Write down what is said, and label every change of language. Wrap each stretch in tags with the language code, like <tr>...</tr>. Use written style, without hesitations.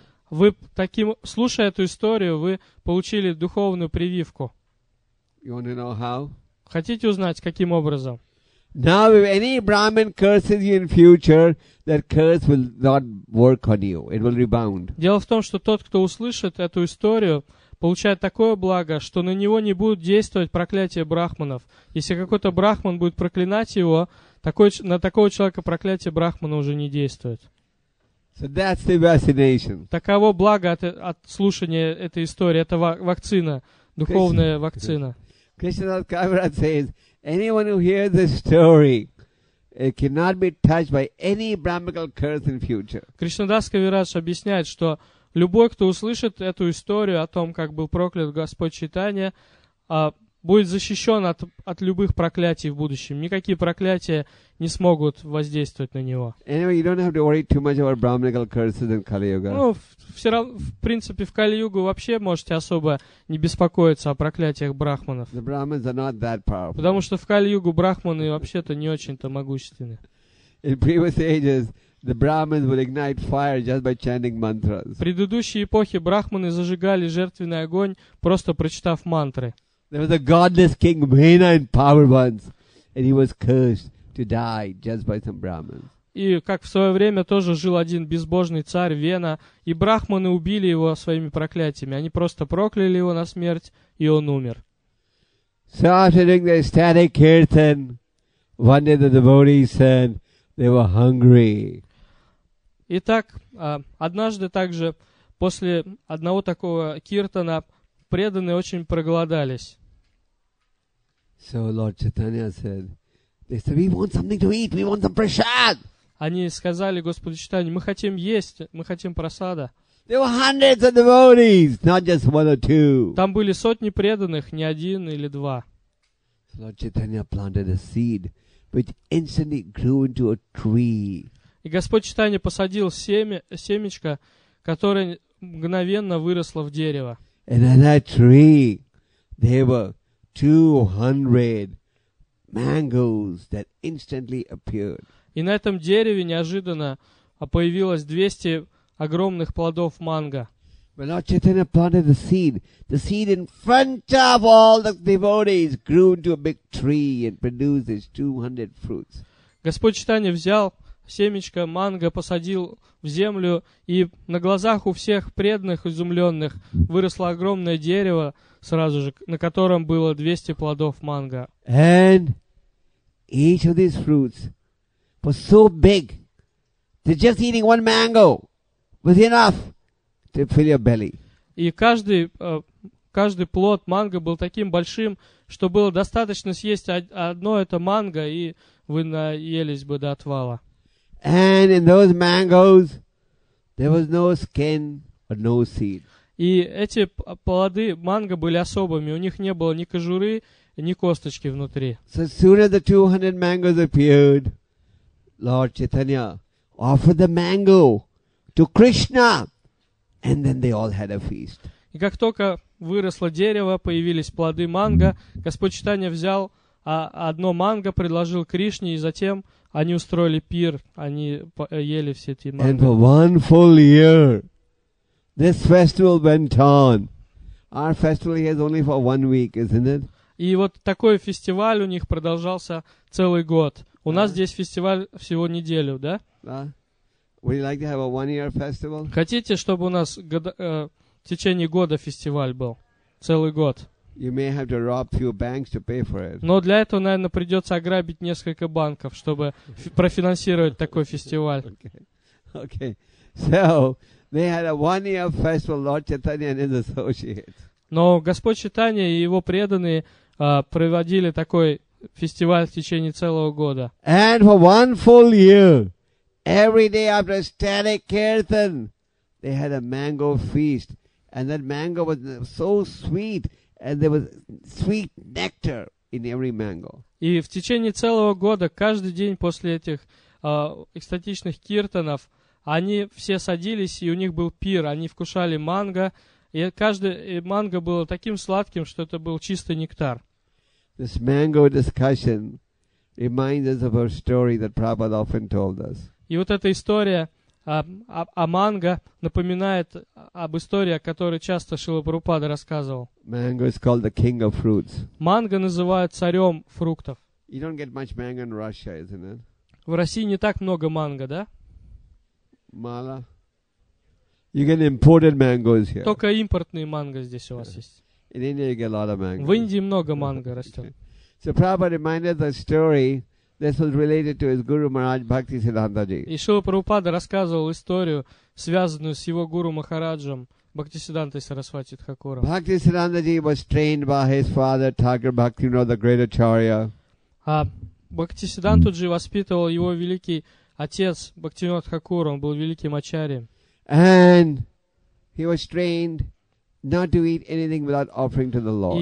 <ru>Вы таким, слушая эту историю, вы получили духовную прививку.</ru> <en>You want to know how?</en> <ru>Хотите узнать, каким образом?</ru> <en>Now, if any Brahmin curses you in future, that curse will not work on you. It will rebound.</en> <ru>Дело в том, что тот, кто услышит эту историю, получает такое благо, что на него не будет действовать проклятие брахманов. Если какой-то брахман будет проклинать его, на такого человека проклятие брахмана уже не действует.</ru> <en>So that's the vaccination.</en> <ru>Таково благо от слушания этой истории. Это вакцина, духовная вакцина.</ru> <en>Кришнадас Кавирад says, anyone who hears this story cannot be touched by any Brahmical curse in future.</en> <ru>Кришнадас Кавирад объясняет, что любой, кто услышит эту историю о том, как был проклят Господь Чайтанья, будет защищен от любых проклятий в будущем. Никакие проклятия не смогут воздействовать на него.</ru> <en>Anyway, you don't have to worry too much about Brahmanical curses in Kali Yuga.</en> <ru>Ну, все равно, в принципе, в Кали-Югу вообще можете особо не беспокоиться о проклятиях брахманов.</ru> <en>The Brahmins are not that powerful.</en> <ru>Потому что в Кали-Югу брахманы вообще-то не очень-то могущественны.</ru> <en>In previous ages, the Brahmins would ignite fire just by chanting mantras.</en> <ru>В предыдущие эпохи брахманы зажигали жертвенный огонь, просто прочитав мантры.</ru> <en>There was a godless king Vena in power once, and he was cursed to die just by some Brahmins.</en> <ru>И как в свое время тоже жил один безбожный царь Вена, и брахманы убили его своими проклятиями. Они просто прокляли его на смерть, и он умер.</ru> <en>So after doing the ecstatic kirtan, one day the devotees said they were hungry.</en> <ru>Итак, однажды также после одного такого киртана преданные очень проголодались.</ru> <en>So Lord Chaitanya said, they said, we want something to eat, we want some prasad.</en> <ru>Они сказали Господу Чайтанье, мы хотим есть, мы хотим просада.</ru> <en>There were hundreds of devotees, not just one or two.</en> <ru>Там были сотни преданных, не один или два.</ru> <en>So Lord Chaitanya planted a seed, which instantly grew into a tree.</en> <ru>И Господь Чайтанье посадил семечко, которое мгновенно выросло в дерево.</ru> <en>And in that tree, there were 200 mangoes that instantly appeared.</en> <ru>И на этом дереве неожиданно появилось 200 огромных плодов манго.</ru> <en>When Lord Chaitanya planted the seed in front of all the devotees grew into a big tree and produced its 200 fruits.</en> <ru>Господь Чайтанья взял семечко манго, посадил в землю, и на глазах у всех преданных изумленных выросло огромное дерево, сразу же, на котором было 200 плодов манго.</ru> <en>And each of these fruits was so big that just eating one mango was enough to fill your belly.</en> <ru>И каждый плод манго был таким большим, что было достаточно съесть одно это манго, и вы наелись бы до отвала.</ru> <en>And in those mangoes, there was no skin or no seed.</en> <ru>И эти плоды манго были особыми. У них не было ни кожуры, ни косточки внутри.</ru> <en>So soon as the 200 mangoes appeared, Lord Chaitanya offered the mango to Krishna, and then they all had a feast.</en> <ru>И как только выросло дерево, появились плоды манго, Господь Чайтанья взял одно манго, предложил Кришне, и затем они устроили пир, они ели все эти манго.</ru> <en>And for one full year, this festival went on. Our festival is only for one week, isn't it?</en> <ru>И вот такой фестиваль у них продолжался целый год. У нас здесь фестиваль всего неделю, да? Да.</ru> <en>Would you like to have a one-year festival?</en> <ru>Хотите, чтобы у нас в течение года фестиваль был? Целый год.</ru> <en>You may have to rob few banks to pay for it.</en> <ru>Но для этого, наверное, придется ограбить несколько банков, чтобы профинансировать такой фестиваль.</ru> <en>Okay. So, they had a one-year festival, Lord Chaitanya and his associates.</en> <ru>Но Господь Чайтанья и его преданные проводили такой фестиваль в течение целого года.</ru> <en>And for one full year, every day after ecstatic kirtan, they had a mango feast. And that mango was so sweet, and there was sweet nectar in every mango.</en> <ru>И в течение целого года, каждый день после этих экстатичных киртанов, они все садились, и у них был пир, они вкушали манго, и каждый манго было таким сладким, что это был чистый нектар.</ru> <en>This mango discussion reminds us of a story that Prabhupada often told us.</en> <ru>И вот эта история о манго напоминает об истории, о которой часто Шрила Прабхупада рассказывал.</ru> <en>Mango is called the king of fruits.</en> <ru>Манго называют царем фруктов.</ru> <en>You don't get much mango in Russia, isn't it?</en> <ru>В России не так много манго, да? Мало.</ru> <en>You get imported mangoes here.</en> <ru>Только импортные манго здесь у вас есть.</ru> <en>In India you get a lot of mango.</en> <ru>В Индии много манго растет.</ru> <en>So Prabhupada reminded the story. This was related to his Guru Maharaj Bhakti Siddhanta Ji.</en> <ru>И Шрила Прабхупада рассказывал историю, связанную с его Гуру Махараджем Бхакти Сиддхантой Сарасвати Тхакуром.</ru> <en>Бхакти Сиддханта Ji was trained by his father Thakur Bhakti, you know, the great Acharya.</en> <ru>А Бхакти Сиддханту Ji воспитывал его великий отец Бхакти Винода Тхакур, он был великим ачарьем.</ru> <en>And he was trained not to eat anything without offering to the Lord.</en>